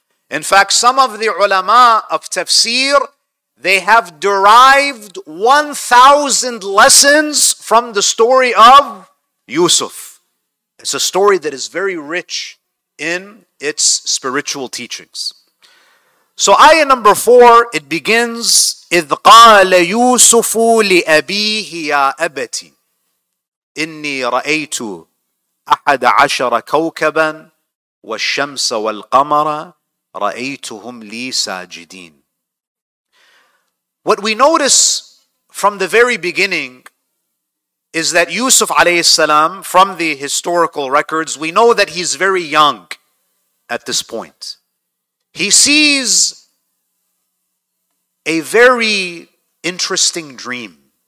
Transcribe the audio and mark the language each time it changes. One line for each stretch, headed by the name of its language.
English: In fact, some of the ulama of tafsir, they have derived 1,000 lessons from the story of Yusuf. It's a story that is very rich in its spiritual teachings. So ayah number 4, it begins,
Arabic: إِذْ قَالَ يُوسُفُ لِأَبِيهِ يَا أَبَتِي إِنِّي رَأَيْتُ أَحَدَ عَشَرَ كَوْكَبًا وَالشَّمْسَ وَالْقَمَرَ رَأَيْتُهُمْ لِي سَاجِدِينَ.
English: What we notice from the very beginning is that Yusuf alayhi salam, from the historical records, we know that he's very young at this point. He sees a very interesting dream.